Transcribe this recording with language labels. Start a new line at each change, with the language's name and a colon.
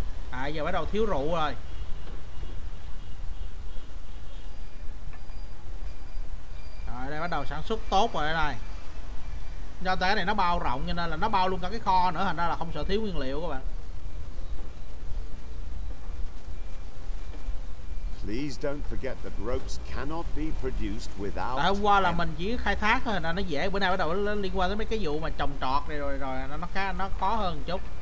Vietnamese: À giờ bắt đầu thiếu rượu rồi. Rồi đây bắt đầu sản xuất tốt rồi đây này. Do cái này nó bao rộng cho nên là nó bao luôn cả cái kho nữa, thành ra là không sợ thiếu nguyên liệu các bạn.
English: Please don't forget that ropes cannot be produced without.
Vietnamese: Tại hôm qua là mình chỉ khai thác thôi, nên nó dễ. Bữa nay bắt đầu liên quan tới mấy cái vụ mà trồng trọt này rồi nó khá nó khó hơn chút.